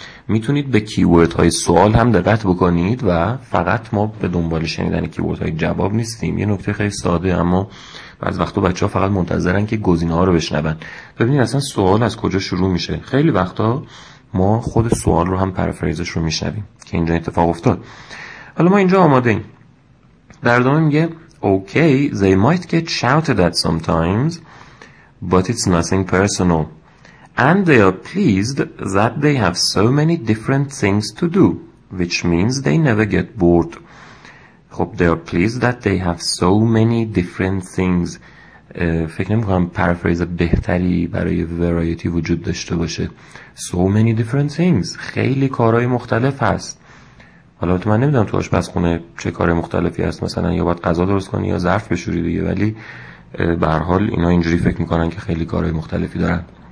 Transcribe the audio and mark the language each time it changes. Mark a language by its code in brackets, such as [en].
[fa] میتونید به کیورد های سوال هم دقت بکنید و فقط ما به دنبال شنیدن کیورد های جواب نیستیم. یه نکته خیلی ساده، اما بعض وقتا بچه ها فقط منتظرن که گزینه ها رو بشنون. ببینید اصلا سوال از کجا شروع میشه. خیلی وقتا ما خود سوال رو هم پرافرازش رو میشنویم که اینجا اتفاق افتاد. حالا ما اینجا آماده ایم. در ادامه میگه [en] Okay, they might get shouted at sometimes, but it's nothing personal. And they are pleased that they have so many different things to do, which means they never get bored. خب they are pleased that they have so many different things. [fa] فکر نمی کنم پرافریز بهتری برای ورایتی وجود داشته باشه. [en] So many different things. [fa] خیلی کارهای مختلف هست. حالا تو من نمیدونم تو آشپزخونه چه کار مختلفی هست، مثلا یا باید غذا درست کنی یا ظرف بشوری دیگه، ولی به هر حال اینا اینجوری فکر میکنن که خیلی کارهای مختلفی دارن.